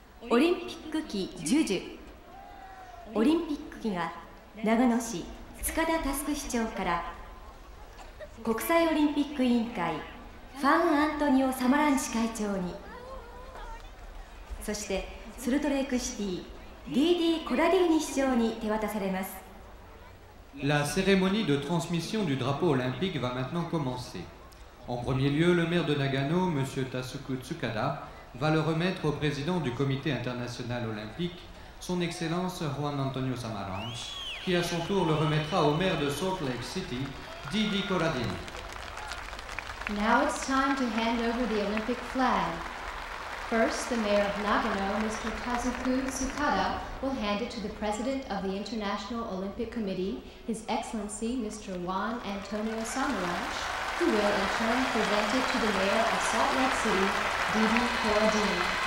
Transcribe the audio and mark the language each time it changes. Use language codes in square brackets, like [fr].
[ja] オリンピック旗ジュジュ。オリンピック旗が長野市塚田タスク市長から国際オリンピック委員会ファン・アントニオ・サマランチ会長に、そしてソルトレークシティ D.D. コラディーニ市長に手渡されます。 [fr] La cérémonie de transmission du drapeau olympique va maintenant commencer. En premier lieu, le maire de Nagano, M. Tasuku Tsukada, va le remettre au président du Comité international olympique, son Excellence Juan Antonio Samaranch, qui à son tour le remettra au maire de Salt Lake City, Didi Corradini. [en] Now it's time to hand over the Olympic flag. First, the mayor of Nagano, Mr. Tasuku Tsukada, will hand it to the president of the International Olympic Committee, His Excellency Mr. Juan Antonio Samaranch, who will in turn present it to the mayor of Salt Lake City, Didi Corradini.